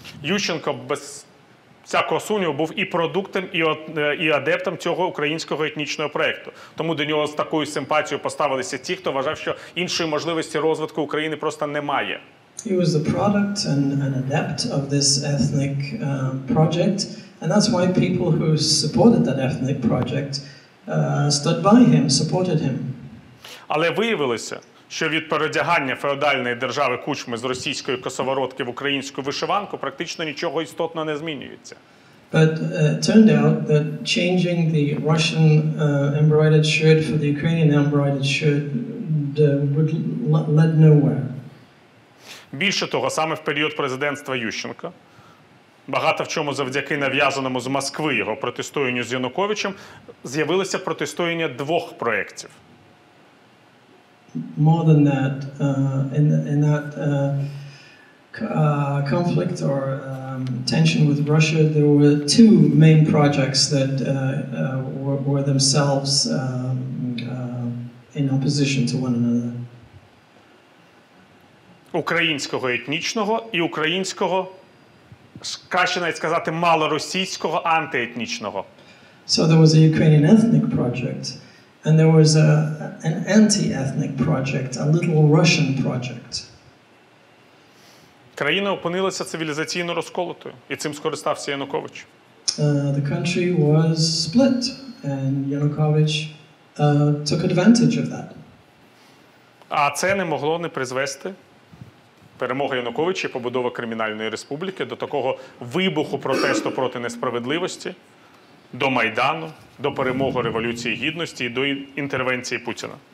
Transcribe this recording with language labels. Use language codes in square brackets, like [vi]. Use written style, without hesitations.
[uk] Ющенко без всякого сумніву був і продуктом, і адептом цього українського етнічного проєкту. Тому до нього з такою симпатією поставилися ті, хто вважав, що іншої можливості розвитку України просто немає. [en] He was the product and an adept of this ethnic project, and that's why people who supported that ethnic project stood by him, supported him. [uk] Але виявилося, що від переодягання феодальної держави Кучми з російської косоворотки в українську вишиванку практично нічого істотно не змінюється. [en] But it turned out that changing the Russian embroidered shirt for the Ukrainian embroidered shirt would led nowhere. [uk] Більше того, саме в період президентства Ющенка, багато в чому завдяки нав'язаному з Москви його протистоянню з Януковичем, з'явилося протистояння двох проєктів. [en] More than that, conflict or tension with Russia, there were two main projects that were themselves in opposition to one another. [uk] Українського етнічного і українського, краще навіть сказати, малоросійського антиетнічного. [en] So there was a Ukrainian ethnic project. And there was an anti-ethnic project, a little Russian project. [uk] Країна опинилася цивілізаційно розколотою, і цим скористався Янукович. [en] The country was split, and Yanukovych took advantage of that. [uk] А це не могло не призвести перемоги Януковича і побудови кримінальної республіки до такого вибуху протесту проти несправедливості, до Майдану, до перемоги Революції Гідності і до інтервенції Путіна.